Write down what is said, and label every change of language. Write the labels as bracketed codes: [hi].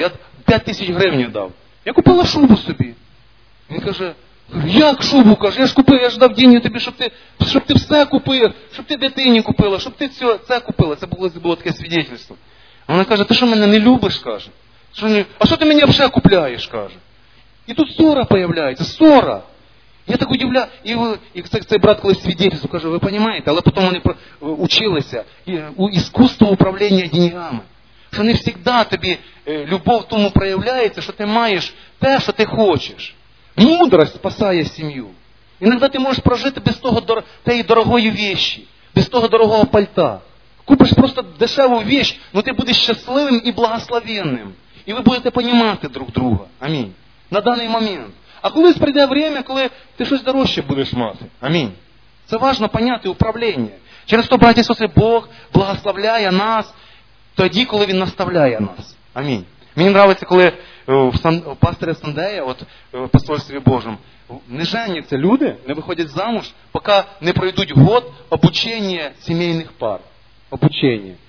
[uk] Я 5000 гривень дав. Я купила шубу собі. Він каже, як шубу, каже, я ж купив, я ж дав гроші тобі, щоб ти все купив, щоб ти дитині купила, щоб ти це купила. Це було таке свідчення. Вона каже, ти що мене не любиш, каже? А що ти мені все купляєш, каже? [ru] И тут ссора появляется, ссора. Я так удивляюсь. И кстати, брат кладет свидетельство, скажу, вы понимаете, але потом он учился искусству управления деньгами. Что не всегда тебе любовь тому проявляется, что ты маешь то, что ты хочешь. Мудрость спасает семью. Иногда ты можешь прожить без того той дорогой вещи, без того дорогого пальта. Купишь просто дешевую вещь, но ты будешь счастливым и благословенным. И вы будете понимать друг друга. Аминь. На данный момент. [uk] А колись прийде время, коли ти щось дорожче будеш мати. Амінь. Це важно поняти управління. Через то, браті, Ісусе, Бог благословляє нас тоді, коли Він наставляє нас. Амінь. Мені подобається, коли у пастора Сандея, от в посольстві Божому, не женяться люди, не виходять замуж, поки не пройдуть год обучення сімейних пар. Обучення.